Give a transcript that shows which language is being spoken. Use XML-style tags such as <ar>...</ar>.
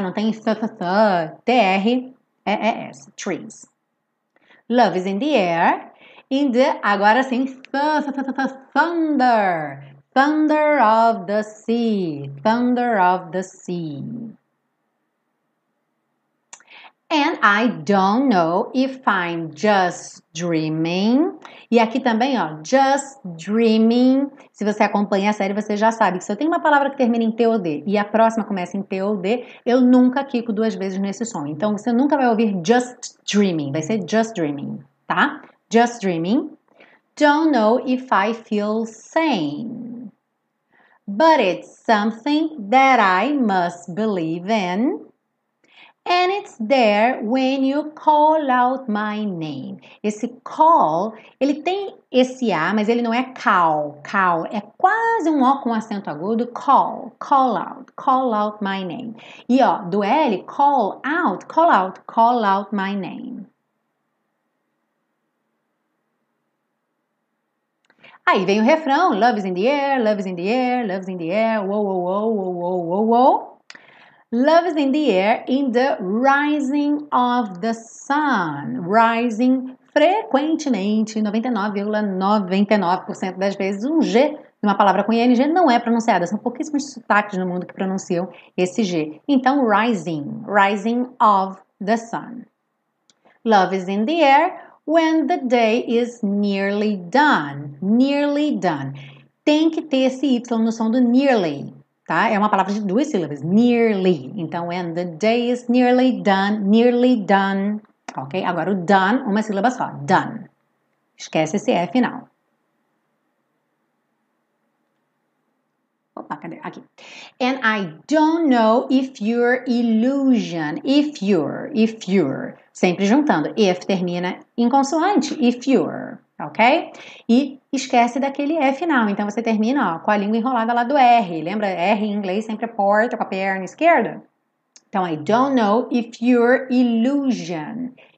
<pt>Não tem TR. E-E-S, trees.</pt> <en>Love is in the air, in the,</en> <pt>agora sim,</pt> <en>thunder, thunder of the sea, thunder of the sea. And I don't know if I'm just dreaming.</en> <pt>E aqui também, ó,</pt> <en>just dreaming.</en> <pt>Se você acompanha a série, você já sabe que se eu tenho uma palavra que termina em T ou D e a próxima começa em T ou D, eu nunca quico duas vezes nesse som. Então, você nunca vai ouvir</pt> <en>just dreaming.</en> <pt>Vai ser</pt> <en>just dreaming, tá? Just dreaming. Don't know if I feel sane. But it's something that I must believe in. And it's there when you call out my name.</en> <pt>Esse call, ele tem esse A, mas ele não é call. Call é quase um O com acento agudo.</pt> <en>Call, call out my name.</en> <pt>E ó, do L,</pt> <en>call out my name.</en> <pt>Aí vem o refrão.</pt> <en>Love is in the air, love is in the air, love is in the air. Whoa, whoa, whoa, whoa, whoa, whoa, whoa. Love is in the air, in the rising of the sun.</en> <pt>Rising frequentemente, 99,99% das vezes. Um G numa palavra com ING não é pronunciada. São pouquíssimos sotaques no mundo que pronunciam esse G. Então, rising,</pt> <en>rising of the sun. Love is in the air when the day is nearly done. Nearly done.</en> <pt>Tem que ter esse Y no som do nearly. tá? É uma palavra de duas sílabas, nearly.</pt> <en>Então, when the day is nearly done, nearly done. Ok?</en> <pt>Agora o done, uma sílaba só, done. Esquece esse E final. Opa, cadê? Aqui.</pt> <en>And I don't know if your illusion, if you're,</en> <pt>sempre juntando,</pt> <en>if termina em consoante, if you're, ok?</en> <pt>E esquece daquele E final, então você termina, ó, com a língua enrolada lá do R, lembra? R em inglês sempre é porta com a perna esquerda.</pt> <en>Então, I don't know if your illusion.</en>